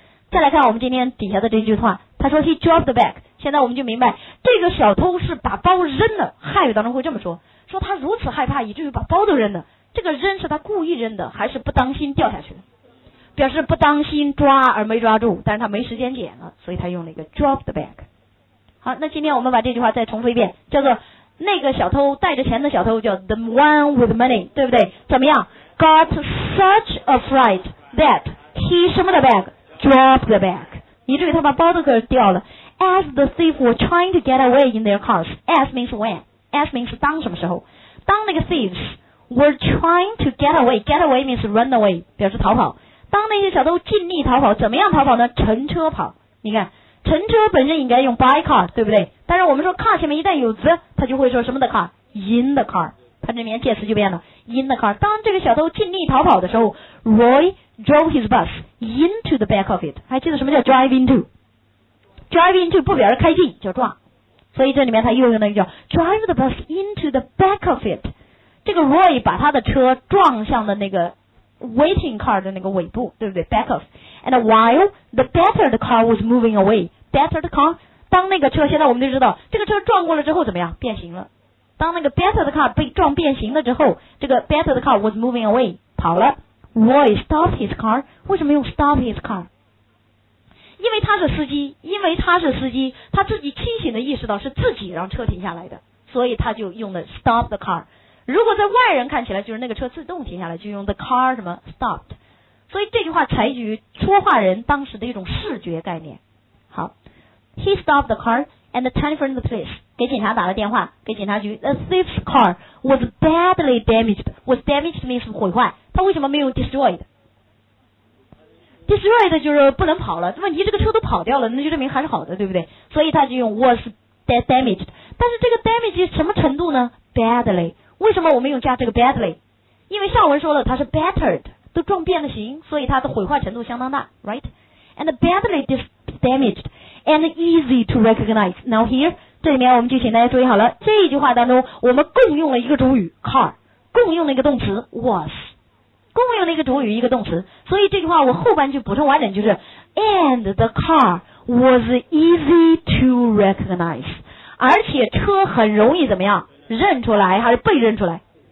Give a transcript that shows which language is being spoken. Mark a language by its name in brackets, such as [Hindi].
[Chinese] 再来看我们今天底下的这句话，他说 [English] he dropped the bag， [Chinese] 现在我们就明白这个小偷是把包扔了，汉语当中会这么说，说他如此害怕以至于把包都扔了，这个扔是他故意扔的还是不当心掉下去，表示不当心抓而没抓住，但是他没时间捡了，所以他用了一个 drop the bag。好，那今天我们把这句话再重复一遍，叫做那个小偷带着钱的小偷叫 [English] the one with money， [Chinese] 对不对？怎么样？ [English] got such a fright that he 什么的 bag drop the bag， [Chinese] 以至于他把包都给掉了。 [English] as the thief were trying to get away in their cars， as means when， as means 当什么时候，当那个 thieves were trying to get away， get away means run away， [Chinese] 表示逃跑，当那些小偷尽力逃跑，怎么样逃跑呢？乘车跑。你看乘车本身应该用 by car， 对不对？但是我们说 car 前面一旦有 the， 他就会说什么的 car， in the car， 他这边介词就变了 in the car。当这个小偷尽力逃跑的时候， [English] Roy drove his bus into the back of it， [Chinese] 还记得什么叫 drive into？ drive into 不表示开进，叫撞，所以这里面他又用了一个叫 [English] drive the bus into the back of it， [Chinese] 这个 Roy 把他的车撞向了那个waiting car 的那个尾部，对不对？ back of， and while the battered car was moving away， battered car，当那个车，现在我们就知道这个车撞过了之后怎么样，变形了，当那个 battered car 被撞变形了之后，这个 battered car was moving away， 跑了。 [English] Roy stopped his car， [Chinese] 为什么用 [English] stop his car？ [Chinese] 因为他是司机，他自己清醒的意识到是自己让车停下来的，所以他就用了 stop the car。如果在外人看起来就是那个车自动停下来，就用 the car 什么 stopped， 所以这句话采取说话人当时的一种视觉概念。 [English] 好， he stopped the car and telephoned the police， [Chinese] 给警察打了电话，给警察局。 [English] the thief's car was badly damaged， was damaged means 毁坏， [Chinese] 他为什么没有 [English] destroyed？ [Chinese] destroyed 就是不能跑了，问题这个车都跑掉了，那就证明还是好的，对不对？所以他就用 was damaged， 但是这个 damage 什么程度呢？ [English] badly。 [Chinese] 为什么我们用加这个 badly？ 因为上文说了它是 battered， 都撞变了形，所以它的毁坏程度相当大， right？ [English] and badly damaged and easy to recognize。 [Chinese] now here， 这里面我们就请大家注意好了，这一句话当中我们共用了一个主语 car， 共用了一个动词 was， 共用了一个主语一个动词，所以这句话我后半句补充完整就是 [English] and the car was easy to recognize， [Chinese] 而且车很容易怎么样认出来，还是被认出来？